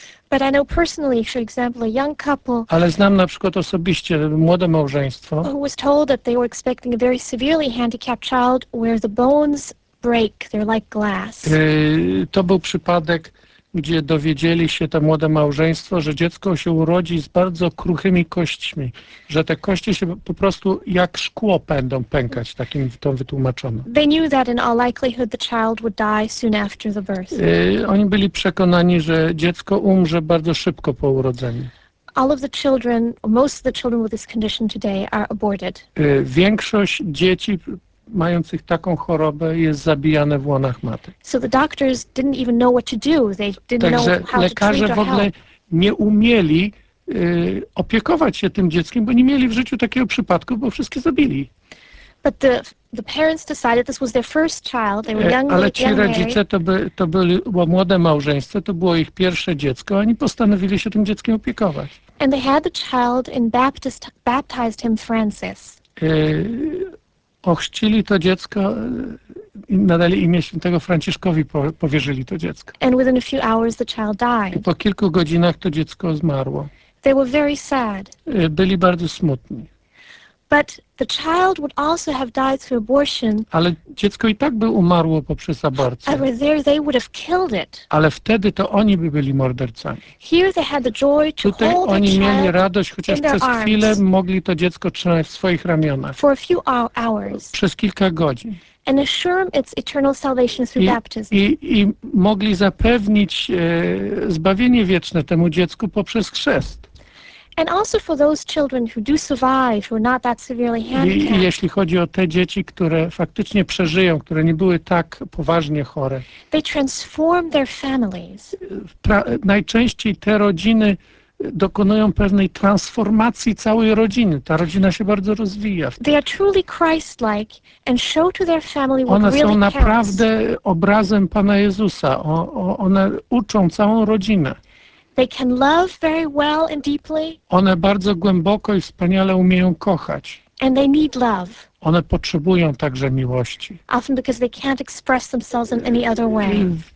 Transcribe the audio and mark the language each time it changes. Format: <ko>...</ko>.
<en>But I know personally, for example, a young couple,</en> <pl>ale znam na przykład osobiście młode małżeństwo,</pl> <en>who was told that they were expecting a very severely handicapped child where the bones break, they're like glass.</en> <pl>To był przypadek, gdzie dowiedzieli się to młode małżeństwo, że dziecko się urodzi z bardzo kruchymi kośćmi, że te kości się po prostu jak szkło będą pękać, takim to wytłumaczono.</pl> <en>They knew that in all likelihood the child would die soon after the birth.</en> <pl>Oni byli przekonani, że dziecko umrze bardzo szybko po urodzeniu.</pl> <en>All of the children, most of the children with this condition today are aborted.</en> <pl>Większość dzieci mających taką chorobę jest zabijane w łonach matek.</pl> <en>So the doctors didn't even know what to do. They didn't</en> <pl>także</pl> <en>know how to treat or help.</en> <pl>Lekarze w ogóle nie umieli opiekować się tym dzieckiem, bo nie mieli w życiu takiego przypadku, bo wszystkie zabili.</pl> <en>But the parents decided this was their first child. They were young,</en> <pl>ale ci rodzice to było młode małżeństwo, to było ich pierwsze dziecko, oni postanowili się tym dzieckiem opiekować.</pl> <en>And they had the child and baptized him Francis.</en> <pl>Ochrzcili to dziecko i nadali imię świętego Franciszkowi, powierzyli to dziecko.</pl> <en>And within a few hours the child died.</en> <pl>I po kilku godzinach to dziecko zmarło.</pl> <en>They were very sad.</en> <pl>Byli bardzo smutni.</pl> <en>But the child would also have died through abortion.</en> <pl>Ale dziecko i tak by umarło poprzez aborcję.</pl> <en>And there they would have killed it.</en> <pl>Ale wtedy to oni by byli mordercami.</pl> <en>Here they had the joy to</en> <pl>tutaj</pl> <en>hold</en> <pl>oni</pl> <en>the</en> <pl>mieli</pl> <en>child</en> <pl>radość, chociaż przez chwilę mogli to dziecko trzymać w swoich ramionach.</pl> <en>For a few hours.</en> <pl>Przez kilka godzin.</pl> <en>And assure them its eternal salvation through baptism.</en> <pl>I mogli zapewnić zbawienie wieczne temu dziecku poprzez chrzest.</pl> <en>And also for those children who do survive, who are not that severely handicapped.</en> <pl>I jeśli chodzi o te dzieci, które faktycznie przeżyją, które nie były tak poważnie chore.</pl> <en>They transform their families.</en> <pl>Najczęściej te rodziny dokonują pewnej transformacji całej rodziny. Ta rodzina się bardzo rozwija.</pl> <en>They are truly Christ-like and show to their family what really counts.</en> <pl>One są naprawdę obrazem Pana Jezusa. One uczą całą rodzinę.</pl> <en>They can love very well and deeply.</en> <pl>One bardzo głęboko i wspaniale umieją kochać.</pl> <en>And they need love.</en> <pl>One potrzebują także miłości.</pl> <en>Often because they can't express themselves in any other way.</en>